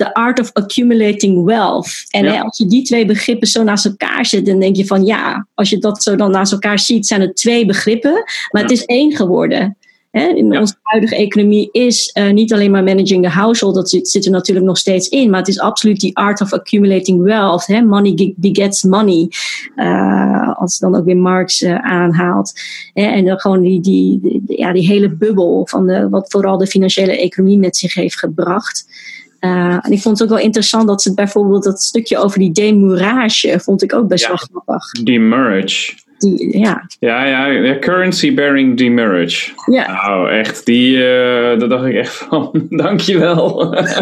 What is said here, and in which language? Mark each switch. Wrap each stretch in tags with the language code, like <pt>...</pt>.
<en>The Art of Accumulating Wealth.</en> <nl>En ja. Als je die twee begrippen zo naast elkaar zet, dan denk je van ja, als je dat zo dan naast elkaar ziet, zijn het twee begrippen, maar ja. Het is één geworden. Hè? In ja. Onze huidige economie is niet alleen maar</nl> <en>managing the household,</en> <nl>dat zit er natuurlijk nog steeds in, maar het is absoluut die Art of Accumulating Wealth. Hè?</nl> <en>Money begets money,</en> <nl>als dan ook weer Marx aanhaalt. Hè? En dan gewoon die hele bubbel van wat vooral de financiële economie met zich heeft gebracht. En ik vond het ook wel interessant dat ze bijvoorbeeld dat stukje over die demurrage vond ik ook best wel grappig. Demurrage. Ja.</nl> <en>Currency bearing demurrage.</en> <nl>Ja. Nou, echt. Die, dat dacht ik echt van, dankjewel.</nl>